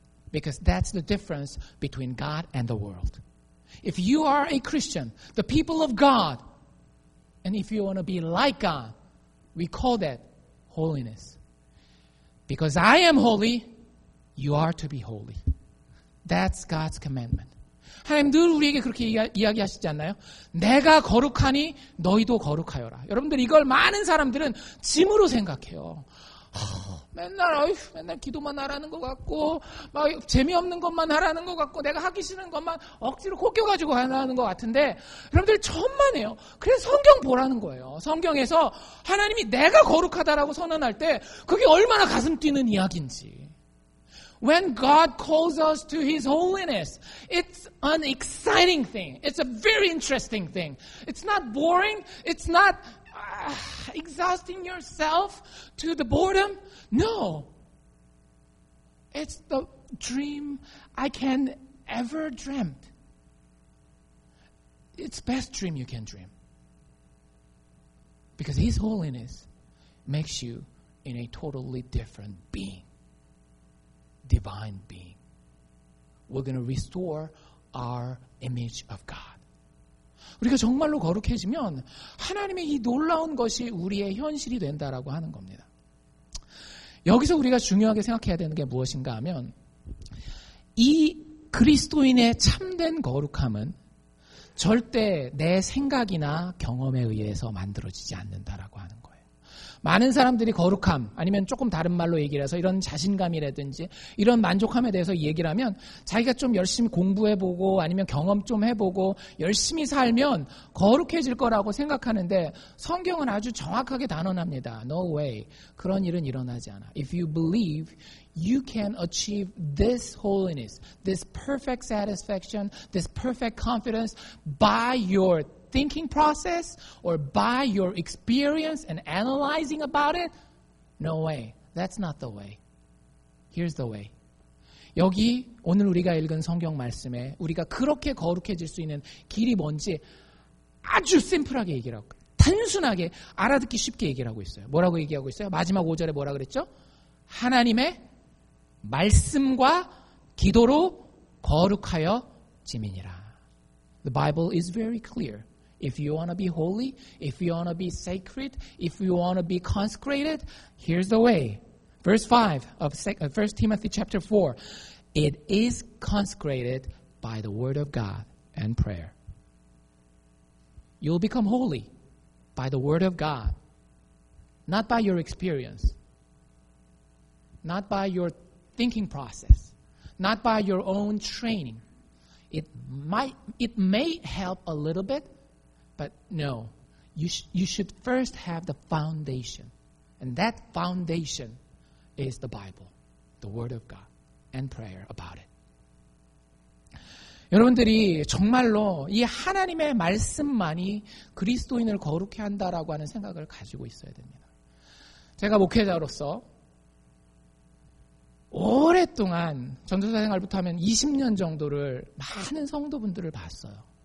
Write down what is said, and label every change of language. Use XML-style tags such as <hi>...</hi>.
<en>Because that's the difference between God and the world. If you are a Christian, the people of God, and if you want to be like God, we call that holiness. Because I am holy, you are to be holy. That's God's commandment.</en> <ko>하나님 늘 우리에게 그렇게 이야기하시지 않나요? 내가 거룩하니 너희도 거룩하여라. 여러분들 이걸 많은 사람들은 짐으로 생각해요. 맨날 기도만 하라는 것 같고 막 재미없는 것만 하라는 것 같고 내가 하기 싫은 것만 억지로 꼬껴가지고 하라는 것 같은데 여러분들 천만 해요. 그래서 성경 보라는 거예요. 성경에서 하나님이 내가 거룩하다라고 선언할 때 그게 얼마나 가슴 뛰는 이야기인지.</ko> <en>When God calls us to His holiness, it's an exciting thing. It's a very interesting thing. It's not boring. It's not exhausting yourself to the boredom. No. It's the dream I can ever dream. It's the best dream you can dream. Because His holiness makes you in a totally different being. Divine being. We're going to restore our image of God.</en> <ko>우리가 정말로 거룩해지면 하나님의 이 놀라운 것이 우리의 현실이 된다라고 하는 겁니다. 여기서 우리가 중요하게 생각해야 되는 게 무엇인가 하면 이 그리스도인의 참된 거룩함은 절대 내 생각이나 경험에 의해서 만들어지지 않는다라고 하는 거예요. 많은 사람들이 거룩함 아니면 조금 다른 말로 얘기를 해서 이런 자신감이라든지 이런 만족함에 대해서 얘기를 하면 자기가 좀 열심히 공부해보고 아니면 경험 좀 해보고 열심히 살면 거룩해질 거라고 생각하는데 성경은 아주 정확하게 단언합니다.</ko> <en>No way.</en> <ko>그런 일은 일어나지 않아.</ko> <en>If you believe, you can achieve this holiness, this perfect satisfaction, this perfect confidence by your thinking process or by your experience and analyzing about it? No way. That's not the way. Here's the way.</en> <ko>여기 오늘 우리가 읽은 성경 말씀에 우리가 그렇게 거룩해질 수 있는 길이 뭔지 아주 심플하게 얘기하고 단순하게 알아듣기 쉽게 얘기하고 있어요. 뭐라고 얘기하고 있어요? 마지막 5절에 뭐라 그랬죠? 하나님의 말씀과 기도로 거룩하여 지민이라.</ko> <en>The Bible is very clear. If you want to be holy, if you want to be sacred, if you want to be consecrated, here's the way. Verse 5 of 1 Timothy chapter 4. It is consecrated by the word of God and prayer. You'll become holy by the word of God. Not by your experience. Not by your thinking process. Not by your own training. It may help a little bit. But no, you should first have the foundation. And that foundation is the Bible, the Word of God, and prayer about it.</en> <ko>여러분들이 정말로 이 하나님의 말씀만이 그리스도인을 거룩해 한다라고 하는 생각을 가지고 있어야 됩니다. 제가 목회자로서 오랫동안 전도사 생활부터 하면 20년 정도를 많은 성도분들을 봤어요.</ko>